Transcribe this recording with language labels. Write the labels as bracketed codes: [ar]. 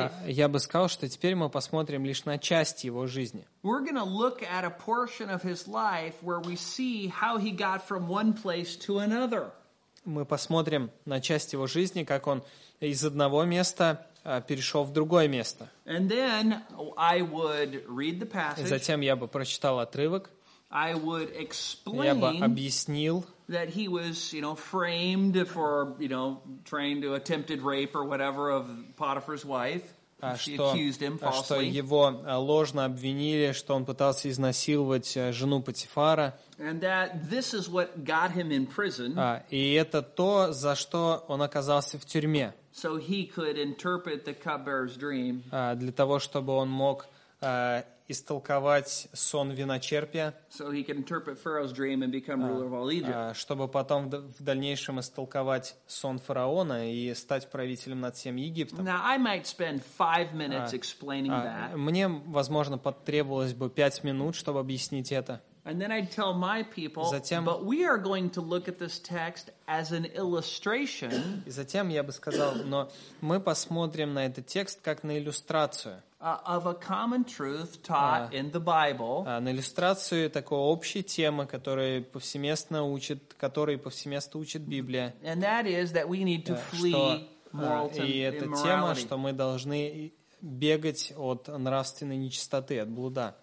[ru] Я бы сказал, что теперь мы посмотрим лишь на часть его жизни. [en] We're going to look at a portion of his life where we see how he got from one place to another. [ru] Мы посмотрим на часть его жизни, как он из одного места перешел в другое место. [en] And then I would read the passage. [ru] И затем я бы прочитал отрывок. [en] I would explain. [ru] Я бы объяснил. [en] That he was, you know, framed for, you know, trying to attempted rape or whatever of Potiphar's wife. [ru] Что его ложно обвинили, что он пытался изнасиловать жену Потифара. [en] And that this is what got him in prison. [ru] И это то, за что он оказался в тюрьме. [en] So he could interpret the cupbearer's dream. [ru] Для того, чтобы он мог истолковать сон виночерпия. [en] So he could interpret Pharaoh's dream and become ruler of all Egypt. [ru] Чтобы потом в дальнейшем истолковать сон фараона и стать правителем над всем Египтом. [en] Now I might spend 5 minutes explaining that. [ru] Мне, возможно, потребовалось бы 5 минут, чтобы объяснить это. [en] And then I'd tell my people, but we are going to look at this text as an illustration. [ru] И затем я бы сказал, но мы посмотрим на этот текст как на иллюстрацию. [en] Of a common truth taught in the Bible. [ru] На иллюстрацию такой общей темы, которую повсеместно учит Библия. [en] And that is that we need to flee moral immorality. [ru] И это тема, что мы должны бегать от нравственной нечистоты, от блуда.